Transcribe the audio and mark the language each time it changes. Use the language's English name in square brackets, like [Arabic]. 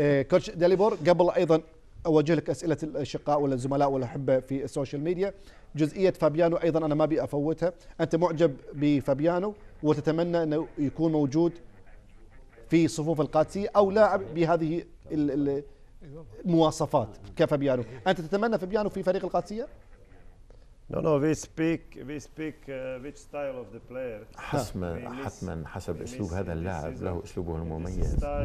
[Arabic] كوتش داليبور قبل ايضا اوجه لك اسئله الاشقاء والزملاء والاحباء في السوشيال ميديا، جزئيه فابيانو ايضا انا ما ابي افوتها. انت معجب بفابيانو وتتمنى انه يكون موجود في صفوف القادسية او لاعب بهذه المواصفات كفابيانو؟ انت تتمنى فابيانو في فريق القادسية؟ [English] No, we speak which style of the player. [Arabic] حتما حسب اسلوب هذا اللاعب له اسلوبه المميز.